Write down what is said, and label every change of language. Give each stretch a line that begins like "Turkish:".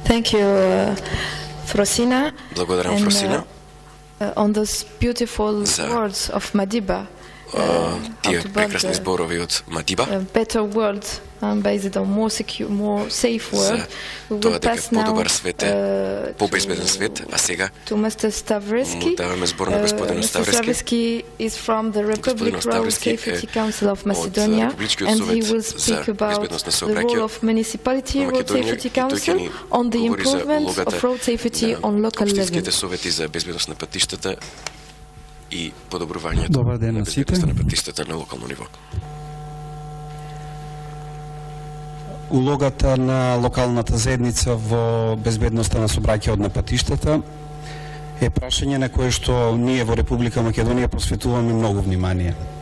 English: Thank you, Frosina.
Macedonian: Благодарам, Фросина.
English: On those beautiful words of Madiba.
Macedonian: Тие прекрасни зборови од Мадиба.
English: Better world, based on more secure, more safe world.
Macedonian: Тоа дека подобар свет е побезбеден свет, а сега
English: to Mr. Stavrisky.
Macedonian: Даваме збор на господин Stavrisky.
English: Stavrisky is from the Republic Road Safety Council of Macedonia and he will speak about the role of municipality road safety council on the improvement of road safety on local level.
Macedonian: Општинските совети за безбедност на патиштата и подобрувањето на безбедността на патиштата на локално ниво. Улогата на локалната заедница во безбедноста на сообраќајот на патиштата е прашање на кое што ние во Република Македонија посветуваме многу внимание.